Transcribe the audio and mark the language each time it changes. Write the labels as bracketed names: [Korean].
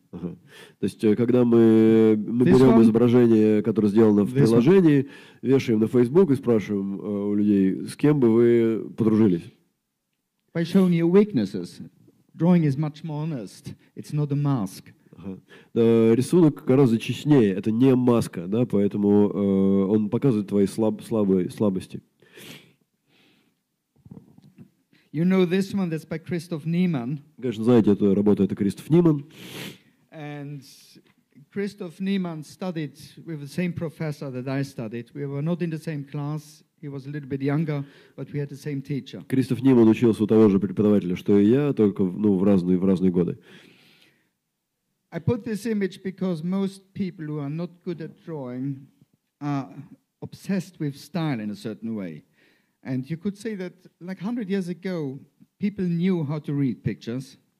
[Russian] То есть, когда мы берем изображение, которое сделано в приложении, вешаем на Facebook и спрашиваем у людей, с кем бы вы подружились? [English] By showing your weaknesses, drawing is much more honest. It's not a mask. [Russian] Рисунок гораздо честнее. Это не маска, да? Поэтому он показывает твои слабости. [English] You know this one that's by Christoph Niemann. [Russian] Конечно, знаете, эту работу, это Кристоф Ниман. [English] And Christoph Niemann studied with the same professor that I studied. We were not in the same class. He was a little bit younger, but we had the same teacher. [Russian] Кристоф Ниман учился у того же преподавателя, что и я, только в разные годы. [English] I put this image because most people who are not good at drawing are obsessed with style in a certain way. And you could say that, like 100 years ago, people knew how to read pictures.